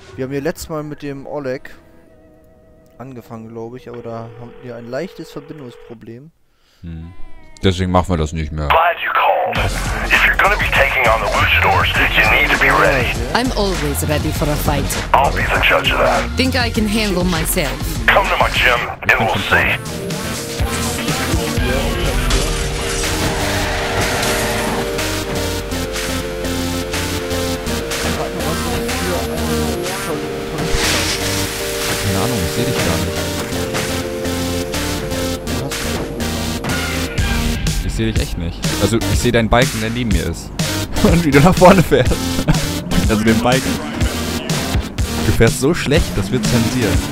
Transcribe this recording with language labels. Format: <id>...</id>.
<de>Wir haben ja letztes Mal mit dem Oleg angefangen, glaube ich, aber da haben wir ein leichtes Verbindungsproblem. Deswegen machen wir das nicht mehr.</de> <en>If you're gonna be taking on the loot stores, you need to be ready. I'm always ready for a fight. I'll be the judge of that. Think I can handle myself. Come to my gym and we'll see.</en> <de>Keine Ahnung, ich seh dich gar nicht. Ich seh dich echt nicht. Also, ich seh deinen Balken, der neben mir ist. Und wie du nach vorne fährst. Also, den Balken. Du fährst so schlecht, das wird zensiert.</de>